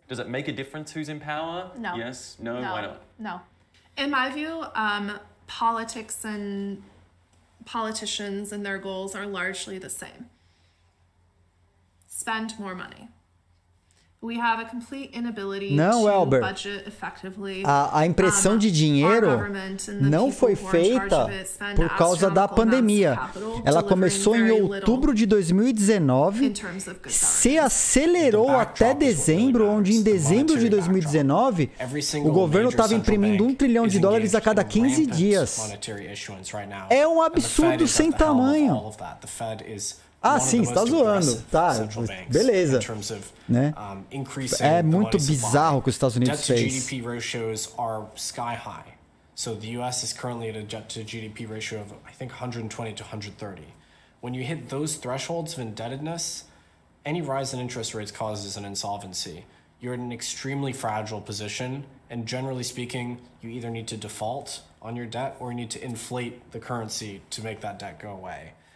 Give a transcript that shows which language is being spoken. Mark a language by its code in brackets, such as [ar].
[en] Does it make a difference who's in power? No. Yes? No? No. Why not? No. In my view, politics and politicians and their goals are largely the same. Spend more money. We have a complete inability to budget effectively. [pt] A impressão de dinheiro não foi feita por causa da pandemia. Ela começou em outubro de 2019, se acelerou até dezembro, onde em dezembro de 2019 o governo estava imprimindo $1 trilhão a cada 15 dias. É um absurdo sem tamanho. Ah, sim, você tá zoando. Tá, beleza. Né? É muito bizarro o que os Estados Unidos fez. [en] Debt to GDP ratios are sky high. So the US is currently at a debt to GDP ratio of, I think, 120 to 130. When you hit those thresholds of indebtedness, any rise in interest rates causes an insolvency. You're in an extremely fragile position. And generally speaking, you either need to default on your debt or you need to inflate the currency to make that debt go away.